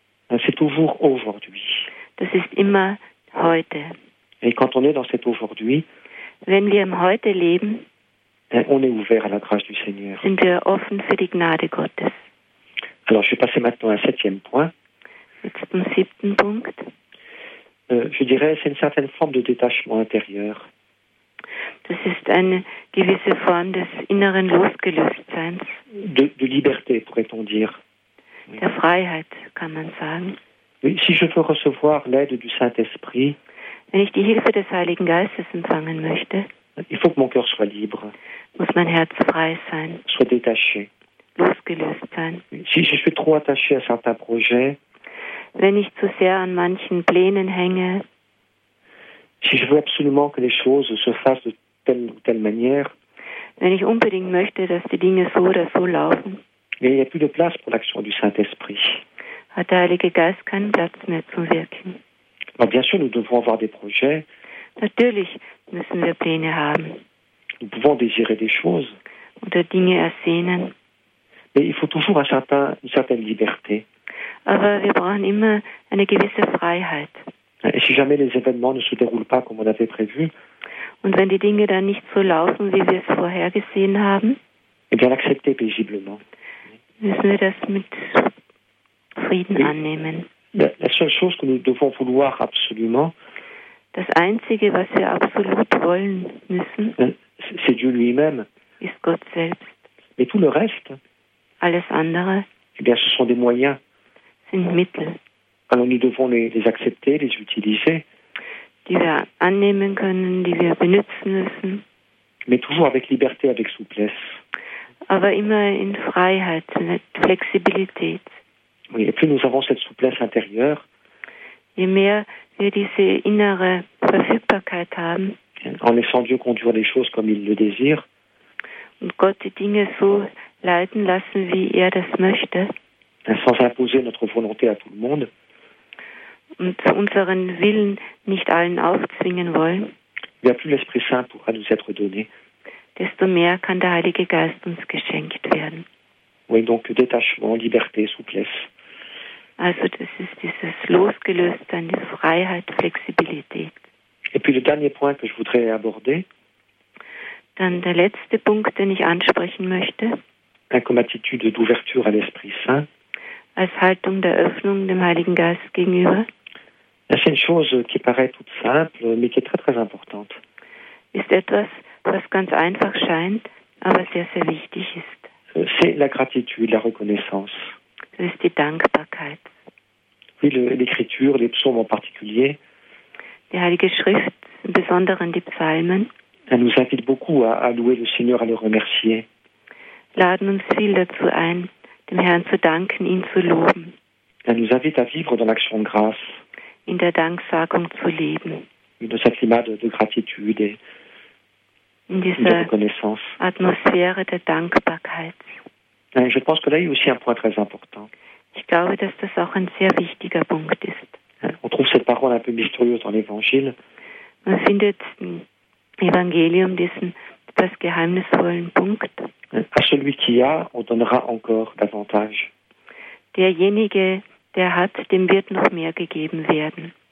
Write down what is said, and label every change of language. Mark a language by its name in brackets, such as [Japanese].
[French] c'est toujours aujourd'hui. [German] Das ist immer heute. [French] Et quand on est dans cet aujourd'hui, [German] wenn wir im Heute leben, [French] on est ouvert à la grâce du Seigneur. [German] Sind wir offen für die Gnade Gottes. [French] Alors, je vais passer maintenant à un septième point. [German] Jetzt zum siebten Punkt. [French] Je dirais, c'est une certaine forme de détachement intérieur. [German] Das ist eine gewisse Form des inneren Losgelöstseins. [French] De liberté, pourrait-on dire. [German] Der Freiheit, kann man sagen. [French] Oui, si je veux recevoir l'aide du Saint-Esprit, [German] wenn ich die Hilfe des Heiligen Geistes empfangen möchte, [French] il faut que mon cœur soit libre. [German] Muss mein Herz frei sein. [French] Soit détaché. [German] Losgelöst sein. [French] Si je suis trop attaché à certains projets, [German] wenn ich zu sehr an manchen Plänen hänge, [French] si je veux absolument que les choses se fassent de telle ou telle manière, [German] wenn ich unbedingt möchte, dass die Dinge so oder so laufen, [French] il n'y a plus de place pour l'action du Saint-Esprit. [German] Hat der Heilige Geist keinen Platz mehr zum Wirken. [French] Alors, bien sûr, nous devons avoir des projets. [German] Natürlich müssen wir Pläne haben. [French] Nous pouvons désirer des choses. [German] Oder Dinge ersehnen. [French] Mais il faut toujours une certaine liberté. [German] Aber wir brauchen immer eine gewisse Freiheit. [French] Et si jamais les événements ne se déroulent pas comme on avait prévu, [German] und wenn die Dinge dann nicht so laufen, wie wir es vorhergesehen haben, [French] et bien l'accepter paisiblement. [German] Müssen wir das mit Frieden annehmen. [French] La seule chose que nous devons vouloir absolument, [German] das Einzige, was wir absolut wollen müssen, [French] c'est Dieu lui-même. [German] Ist Gott selbst. [French] Mais tout le reste, [German] alles andere, [French] eh bien, ce sont des moyens. [German] Sind Mittel. [French] Alors nous devons les accepter, les utiliser. [German] Die wir annehmen können, die wir benutzen müssen. [French] Mais toujours avec liberté, avec souplesse. [German] Aber immer in Freiheit, mit Flexibilität. [French] Oui, et plus nous avons cette souplesse intérieure, [German] je mehr wir diese innere Verfügbarkeit haben. [French] En laissant Dieu conduire les choses comme il le désire. [German] Und Gott die Dinge so leiten lassen, wie er das möchte. [French] Sans imposer notre volonté à tout le monde. [German] Und unseren Willen nicht allen aufzwingen wollen. [French] Bien plus l'Esprit Saint pourra nous être donné. [German] Desto mehr kann der Heilige Geist uns geschenkt werden. [French] Oui, donc détachement, liberté, souplesse. [German] Also das ist dieses Losgelöste, die Freiheit, Flexibilität. [French] Et puis le dernier point que je voudrais aborder. [German] Dann der letzte Punkt, den ich ansprechen möchte. [French] Comme attitude d'ouverture à l'Esprit Saint. [German] Als Haltung der Öffnung dem Heiligen Geist gegenüber. [French] C'est une chose qui paraît toute simple, mais qui est très très importante. [German] Ist etwas, was ganz einfach scheint, aber sehr sehr wichtig ist. [French] C'est la gratitude, la reconnaissance. C'est la [German] Dankbarkeit. [French] Oui, l'Écriture, les psaumes en particulier. [German] Die Heilige Schrift, besonders die Psalmen. [French] Elle nous invite beaucoup à louer le Seigneur, à le remercier. [German] Laden uns viel dazu ein, dem Herrn zu danken, ihn zu loben. [French] Elle nous invite à vivre dans l'action de grâce. [German] In der Danksagung zu leben. [French] Dans ce climat de gratitude et [German] in dieser Atmosphäre der Dankbarkeit. [French] Je pense que là, il y a aussi un point très important. [German] Ich glaube, dass das auch ein sehr wichtiger Punkt ist. [French] On trouve cette parole un peu mystérieuse dans l'Évangile. [German] Man findet im Evangelium diesen etwas geheimnisvollen Punkt. [French] À celui qui a, on donnera encore davantage. [German] Derjenige, der hat, dem wird noch mehr gegeben werden.